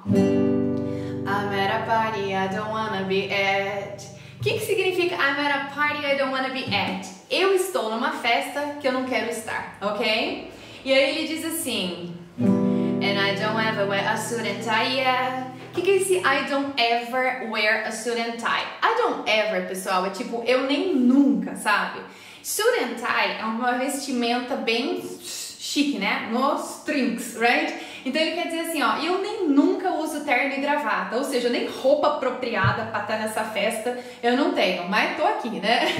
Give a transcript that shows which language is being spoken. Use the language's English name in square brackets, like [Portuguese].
[English] I'm at a party, I don't wanna be at. [Portuguese] O que que significa [English] I'm at a party, I don't wanna be at? [Portuguese] Eu estou numa festa que eu não quero estar, ok? E aí ele diz assim. [English] And I don't ever wear a suit and tie, yeah. [Portuguese] O que que é esse [English] I don't ever wear a suit and tie? I don't ever, [Portuguese] pessoal, é tipo eu nem nunca, sabe? [English] Suit and tie [Portuguese] é uma vestimenta bem chique, né? Nos trinks, right? Então ele quer dizer assim, ó, eu nem nunca uso terno e gravata, ou seja, nem roupa apropriada pra estar nessa festa eu não tenho, mas tô aqui, né?